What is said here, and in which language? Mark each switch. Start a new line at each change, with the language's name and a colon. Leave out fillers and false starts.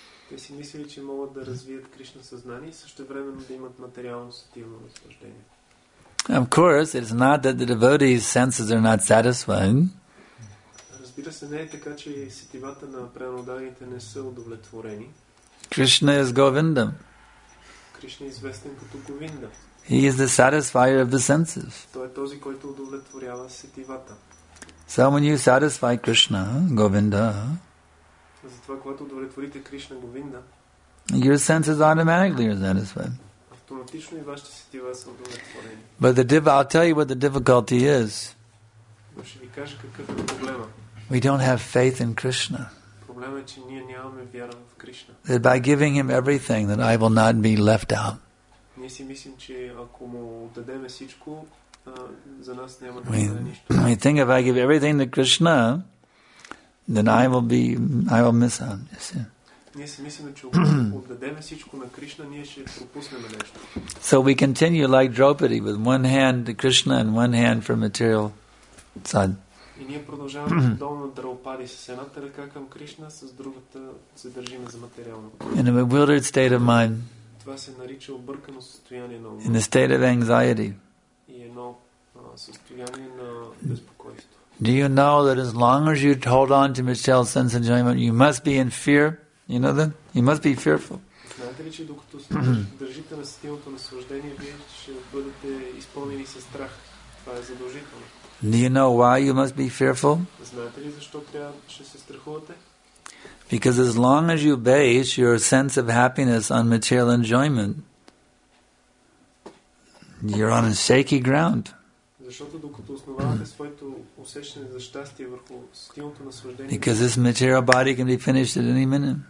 Bulgarian: Те си мислили, че могат да развият Кришна съзнание и същевременно да имат материално сетивно наслаждение.
English: Of course, it's not that the devotees' senses are not satisfying.
Bulgarian: Разбира се, не е така, че сетивата на преданите не са удовлетворени.
English: Krishna is Govinda.
Bulgarian: Кришна е известен като Говинда.
English: He is the satisfier of the senses.
Bulgarian: Той е този, който удовлетворява сетивата.
English: So when you satisfy Krishna, Govinda,
Bulgarian: затова, когато удовлетворите Кришна, Говинда,
English: your senses automatically are satisfied.
Bulgarian: Автоматично и вашите сетива са удовлетворени.
English: But the devotee, I'll tell you what the difficulty is.
Bulgarian: Но ще ви кажа какъв е проблема.
English: We don't have faith in Krishna.
Bulgarian: Проблемът е, че ние нямаме вяра в Кришна.
English: That by giving him everything, that I will not be left out.
Bulgarian: Ние си мислим, че ако му дадем всичко, за нас няма да бъде нищо.
English: We think if I give everything to Krishna, then I will miss him. You see?
Bulgarian: Ние си мислим, че ако отдадем всичко на Кришна, ние ще пропуснем нещо.
English: So we continue like Draupadi with one hand to Krishna and one hand for material sad.
Bulgarian: И ние продължаваме долу на Драупади с едната ръка към Кришна, с другата се държим за материално.
English: In a bewildered state of mind.
Bulgarian: Това се нарича объркано състояние на ума.
English: In a state of anxiety.
Bulgarian: И едно състояние на безпокойство.
English: Do you know that as long as you hold on to material sense enjoyment, you must be in fear? You know that? You must be fearful.
Bulgarian: Знаете ли, че докато държите на сетивното наслаждение, вие ще бъдете изпълнени със страх. Това е задължително.
English: Do you know why you must be fearful?
Bulgarian: Знаете ли защо трябва да се страхувате?
English: Because as long as you base your sense of happiness on material enjoyment, you're on a shaky ground.
Bulgarian: Защото докато основавате своето усещане за щастие върху стилното наслаждение,
English: because this material body can be finished at any minute.